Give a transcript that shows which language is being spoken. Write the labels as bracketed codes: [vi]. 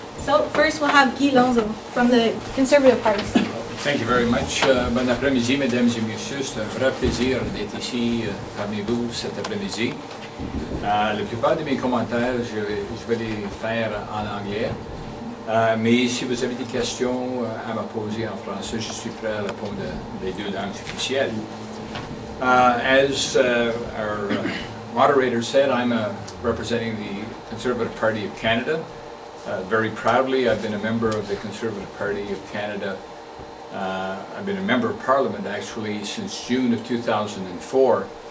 [en] So first we'll have Guy Lonzo from the Conservative Party. Thank you very much. [fr] Bon après-midi, mesdames et messieurs. C'est un vrai plaisir d'être ici parmi vous cet après-midi. La plupart de mes commentaires, je vais les faire en anglais. Mais si vous avez des questions à me poser en français, je suis prêt à répondre des deux langues officielles. [en] As our moderator said, I'm representing the Conservative Party of Canada. Very proudly, I've been a member of the Conservative Party of Canada. I've been a member of Parliament, actually, since June of 2004.